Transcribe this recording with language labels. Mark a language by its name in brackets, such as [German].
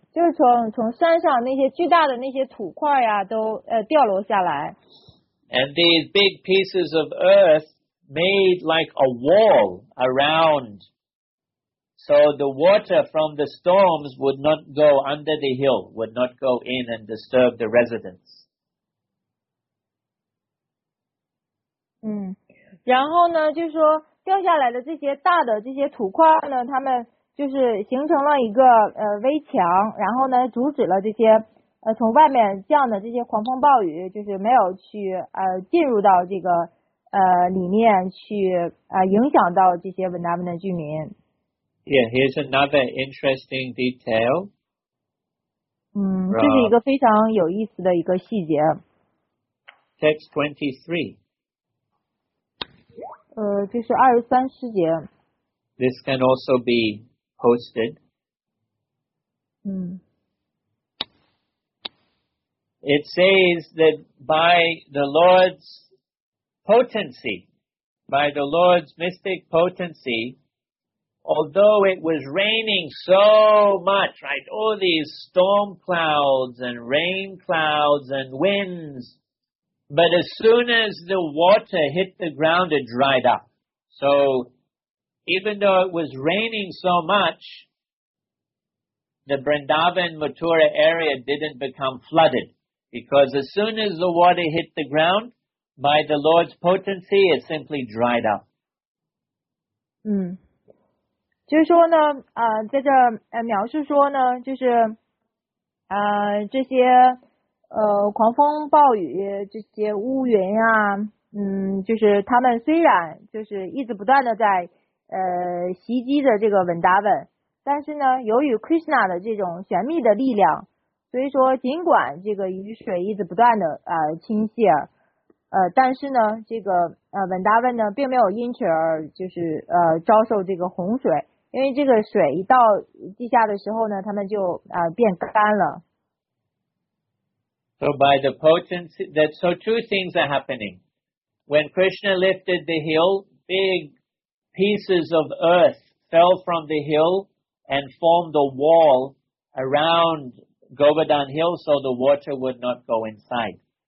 [Chinese] 就是从山上那些巨大的那些土块呀，都掉落下来。 [English] And these big pieces of earth made like a wall around, so the water from the storms would not go under the hill, would not go in and disturb the residents. [Chinese] 然后呢，就是说掉下来的这些大的这些土块呢，他们就是形成了一个围墙，然后呢阻止了这些从外面降的这些狂风暴雨，就是没有去进入到这个里面去影响到这些Vrindavan的居民。 [English] Yeah, here's another interesting detail. [Chinese] 这是一个非常有意思的一个细节。 [English] Text 23. [Chinese] 就是二十三师节。 [English] This can also be posted. It says that by the Lord's potency, by the Lord's mystic potency, although it was raining so much, right? All these storm clouds and rain clouds and winds. But as soon as the water hit the ground, it dried up. So even though it was raining so much, the Vrindavan Mathura area didn't become flooded. Because as soon as the water hit the ground, by the Lord's potency, it simply dried up. [Chinese] 就是说呢，在这描述说呢，就是这些狂风暴雨这些乌云啊，就是他们虽然就是一直不断的在袭击着这个文达文，但是呢由于 Krishna 的这种玄秘的力量，所以说尽管这个雨水一直不断的倾泻，但是呢这个文达文呢并没有因此而就是遭受这个洪水，因为这个水一到地下的时候呢他们就变干了。 [English] So by the potency, so two things are happening. When Krishna lifted the hill, big pieces of earth fell from the hill and formed a wall around Govardhan Hill so the water would not go inside.